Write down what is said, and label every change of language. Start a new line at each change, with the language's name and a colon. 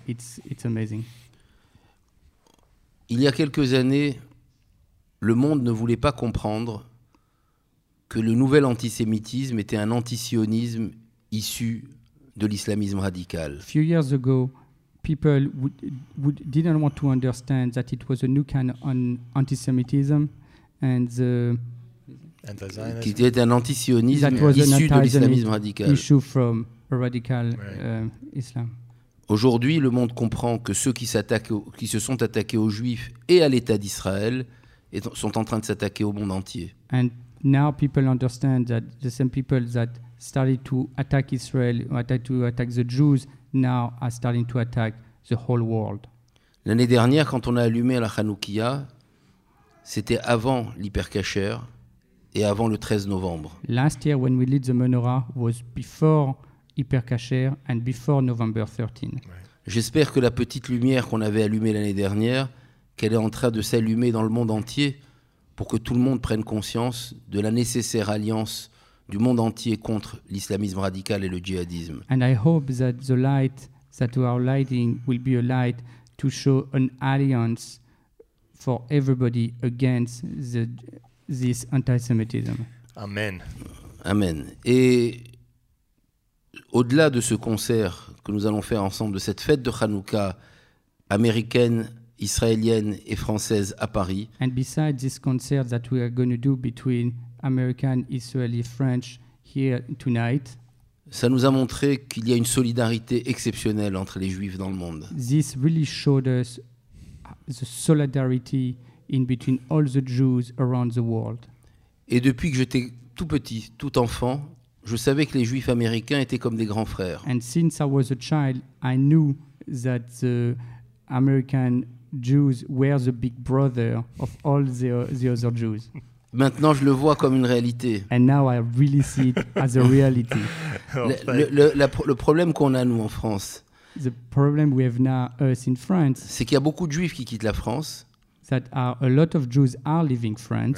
English: It's amazing.
French: Il y a quelques années, le monde ne voulait pas comprendre que le nouvel antisémitisme était un antisionisme issu de l'islamisme radical.
English: Few years ago, people didn't want to understand that it was a new kind of antisemitism and the
French: qui était un antisionisme issu de l'islamisme radical.
English: Issue from radical Islam.
French: Aujourd'hui, le monde comprend que ceux qui se sont attaqués aux Juifs et à l'État d'Israël sont en train de s'attaquer au monde entier.
English: And now people understand that the same people that started to attack Israel, to attack the Jews, now are starting to attack the whole world.
French: L'année dernière, quand on a allumé la Hanoukia, c'était avant l'hypercacher et avant le 13 novembre.
English: Last year, when we lit the menorah, was before hypercacher and before November 13.
French: J'espère que la petite lumière qu'on avait allumée l'année dernière, qu'elle est en train de s'allumer dans le monde entier pour que tout le monde prenne conscience de la nécessaire alliance du monde entier contre l'islamisme radical et le djihadisme.
English: And I hope that the light that we are lighting will be a light to show an alliance for everybody against this antisemitism. Amen. Amen.
French: Et au-delà de ce concert que nous allons faire ensemble, de cette fête de Hanouka américaine, israélienne et française à Paris.
English: And besides this concert that we are going to do between American, Israeli, French here tonight.
French: Ça nous a montré qu'il y a une solidarité exceptionnelle entre les Juifs dans le monde.
English: This really showed us the solidarity in between all the Jews around the world.
French: Et depuis que j'étais tout petit, tout enfant, je savais que les Juifs américains étaient comme des grands frères.
English: And since I was a child, I knew that the American Jews were the big brother of all the other Jews.
French: Maintenant, je le vois comme une réalité.
English: And now I really see it as a reality.
French: Le problème qu'on a, nous, en France,
English: the problem we have now, us in France,
French: c'est qu'il y a beaucoup de Juifs qui quittent la France.
English: That are, a lot of Jews are leaving France.